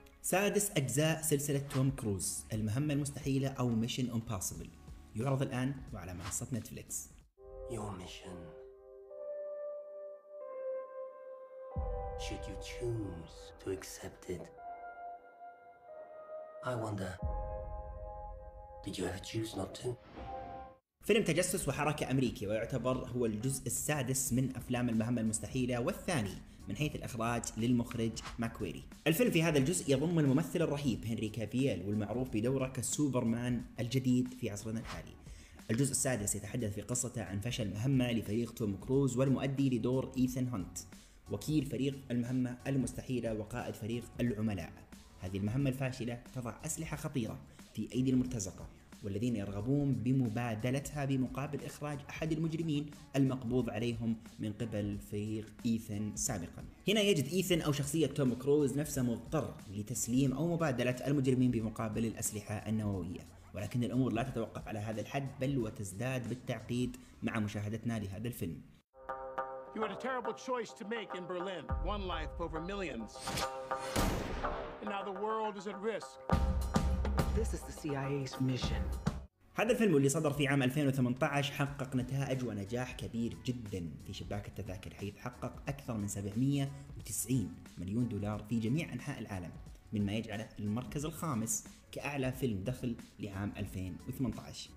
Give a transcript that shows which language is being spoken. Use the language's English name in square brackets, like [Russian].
[Arabic] سادس أجزاء سلسلة توم كروز المهمة المستحيلة أو ميشن امباسيبل يعرض الآن وعلى منصة نتفليكس. [English] Your mission. Should you choose to accept it? I wonder, did you ever choose not to? [Arabic] فيلم تجسس وحركة أمريكي ويعتبر هو الجزء السادس من أفلام المهمة المستحيلة والثاني من حيث الإخراج للمخرج ماكويري. الفيلم في هذا الجزء يضم الممثل الرهيب هنري كافييل والمعروف بدوره كسوبرمان الجديد في عصرنا الحالي. الجزء السادس يتحدث في قصته عن فشل مهمة لفريق توم كروز والمؤدي لدور إيثان هونت وكيل فريق المهمة المستحيلة وقائد فريق العملاء. هذه المهمة الفاشلة تضع أسلحة خطيرة في أيدي المرتزقة والذين يرغبون بمبادلتها بمقابل إخراج أحد المجرمين المقبوض عليهم من قبل فريق إيثان سابقا. هنا يجد إيثان أو شخصية توم كروز نفسه مضطر لتسليم أو مبادلة المجرمين بمقابل الأسلحة النووية، ولكن الأمور لا تتوقف على هذا الحد بل وتزداد بالتعقيد مع مشاهدتنا لهذا الفيلم. [English] You had a terrible choice to make in Berlin. One life over millions. And now the world is at risk. This is the CIA's mission. [Arabic] هذا الفيلم اللي صدر في عام 2018 حقق نتائج ونجاح كبير جدا في شباك التذاكر، حيث حقق أكثر من 790 مليون دولار في جميع أنحاء العالم، مما يجعله المركز الخامس كأعلى فيلم دخل لعام 2018.